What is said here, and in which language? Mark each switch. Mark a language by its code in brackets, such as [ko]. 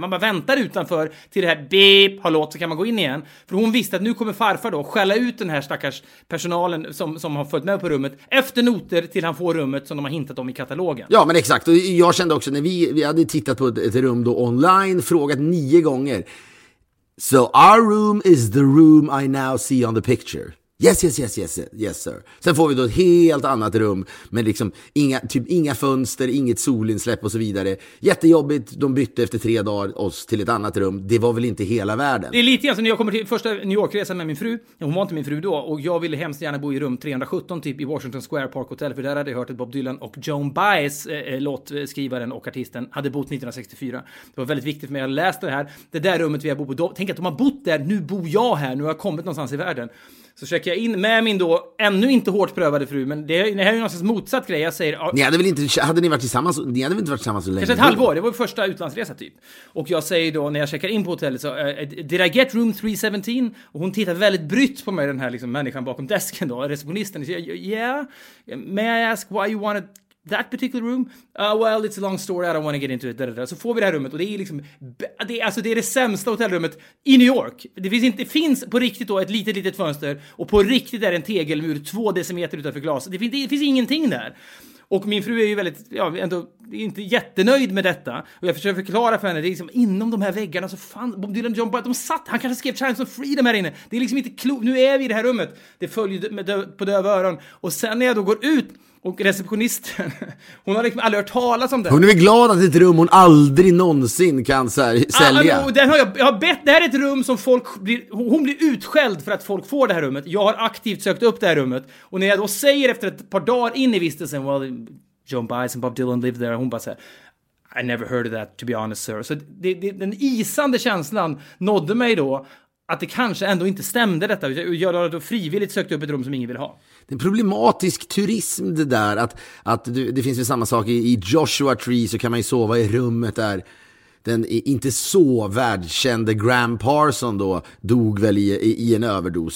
[sv] Man bara väntar utanför till det här beep har låt, så kan man gå in igen. För hon visste att nu kommer farfar då skälla ut den här stackars personalen som har följt med på rummet efter noter till han får rummet som de har hintat om i katalogen. Ja, men exakt. Och jag kände också, när vi hade tittat på ett rum då online, frågat 9 gånger. [en] So our room is the room I now see on the picture. Yes, yes, yes, yes, yes, sir. [sv] Sen får vi då ett helt annat rum med liksom inga, typ inga fönster, inget solinsläpp och så vidare. Jättejobbigt, de bytte efter 3 dagar oss till ett annat rum. Det var väl inte hela världen. Det är lite grann så när jag kommer till första New York-resan med min fru. Hon var inte min fru då, och jag ville hemskt gärna bo i rum 317 typ i Washington Square Park Hotel, för där hade jag hört att Bob Dylan och Joan Baez, låtskrivaren och artisten, hade bott 1964. Det var väldigt viktigt för mig att läsa det här. Det där rummet vi har bott på, tänk att de har bott där, nu bor jag här, nu har jag kommit någonstans i världen. Så checkar jag in med min då ännu inte hårt prövade fru. Men det här är ju någonstans motsatt grej. Jag säger, ni hade väl inte, hade ni varit tillsammans, ni hade väl inte varit tillsammans så länge? Kanske ett halvår, det var första utlandsresa typ. Och jag säger då, när jag checkar in på hotellet, så [en] did I get room 317? [sv] Och hon tittar väldigt brytt på mig, den här liksom människan bakom desken då, receptionisten. Så jag, [en] yeah, may I ask why you wanted that particular room? Well, it's a long story, I don't want to get into it. [sv] Så får vi det här rummet, och det är liksom, det är det sämsta hotellrummet i New York. Det finns på riktigt då ett litet fönster, och på riktigt är det en tegelmur 2 decimeter utanför glas. Det finns ingenting där. Och min fru är ju väldigt, ändå inte jättenöjd med detta. Och jag försöker förklara för henne, det är liksom inom de här väggarna så fanns Bob Dylan, John Baez, de satt, han kanske skrev Chimes of Freedom här inne. Det är liksom inte klokt, nu är vi i det här rummet. Det följer på döva öron. Och sen när jag då går ut Och receptionisten, hon har liksom aldrig hört talas om den. Hon är glad att ett rum hon aldrig någonsin kan så här sälja. Det här är ett rum som folk blir, hon blir utskälld för att folk får det här rummet. Jag har aktivt sökt upp det här rummet. Och när jag då säger efter ett par dagar in i vistelsen, [en] well, John Baez and Bob Dylan lived there. [sv] Hon bara säger, [en] I never heard of that to be honest sir. [sv] Så det, den isande känslan nådde mig då. Att det kanske ändå inte stämde detta. Jag har då frivilligt sökt upp ett rum som ingen vill ha. Det är problematisk turism det där. Att du, det finns ju samma sak i Joshua Tree. Så kan man ju sova i rummet där den inte så världskände Graham Parsons då dog väl i en överdos.